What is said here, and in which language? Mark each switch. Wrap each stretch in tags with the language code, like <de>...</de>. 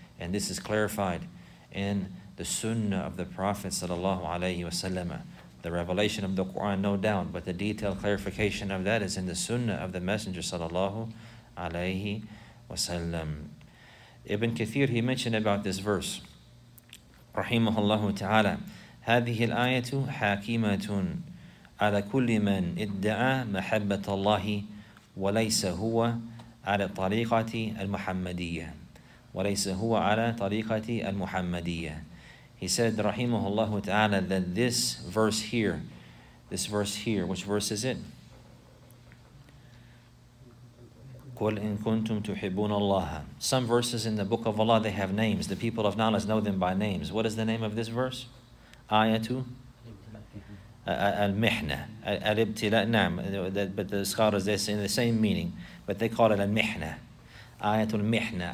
<en>And this is clarified in the sunnah of the Prophet sallallahu alayhi wa sallam. The revelation of the Quran, no doubt, but the detailed clarification of that is in the sunnah of the Messenger sallallahu alayhi wa sallam. Ibn Kathir, he mentioned about this verse. Rahimahullahu ta'ala.</en> <ar>هذه الآية حاكمة على كل من ادعى محبة الله وليس هو على طريقة المحمدية وليس هو على طريقة المحمدية.</ar> <en>He said, Rahimahullah Ta'ala, that this verse here, which verse is it?</en> <ar>قل إن كنتم تحبون الله.</ar> <en>Some verses in the Book of Allah, they have names. The people of knowledge know them by names. What is the name of this verse? Ayatu. Al-mihna, al-ibtila, na'am, but the scholars, they say in the same meaning, but they call it al-mihna, ayatul mihna.</en>